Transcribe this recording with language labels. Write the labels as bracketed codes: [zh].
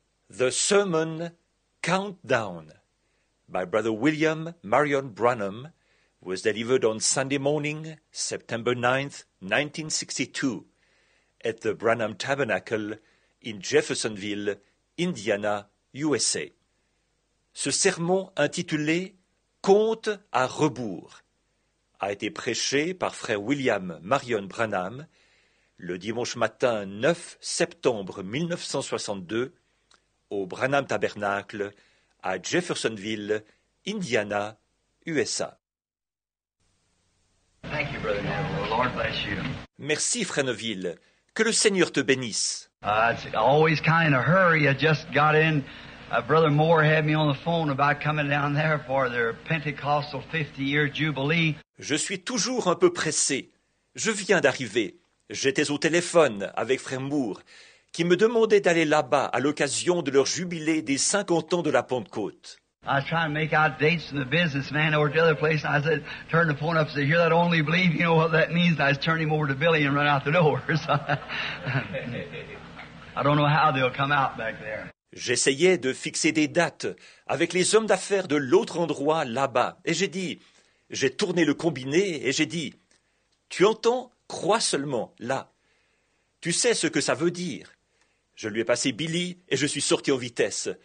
[en] The Sermon Countdown by Brother William Marion Branham was delivered on Sunday morning, September 9, 1962, at the Branham Tabernacle in Jeffersonville, Indiana, USA. [fr] Ce sermon intitulé « Compte à rebours » a été prêché par Frère William Marion Branham le dimanche matin 9 septembre 1962 au Branham Tabernacle à Jeffersonville, Indiana, USA. [en] Thank you, Brother Neville. Lord bless you. [fr] Merci, Frère Neville. Que le Seigneur te bénisse. [en] It's always kind of hurry. I just got in. Brother Moore had me on the phone about coming down there for their Pentecostal 50-year jubilee. [fr] Je suis toujours un peu pressé. Je viens d'arriver. J'étais au téléphone avec Frère Moore, qui me demandait d'aller là-bas à l'occasion de leur jubilé des 50 ans de la Pentecôte. [en] I was trying to make out dates from the businessman over to the other place, and I said, turned the phone up and said, "Hear that, only believe, you know what that means?" And I was turning him over to Billy and run out the door. I don't know how they'll come out back there. [fr] J'essayais de fixer des dates avec les hommes d'affaires de l'autre endroit là-bas. Et j'ai dit, j'ai tourné le combiné et j'ai dit, « Tu entends? Crois seulement, là. Tu sais ce que ça veut dire. » Je lui ai passé Billy et je suis sorti en vitesse.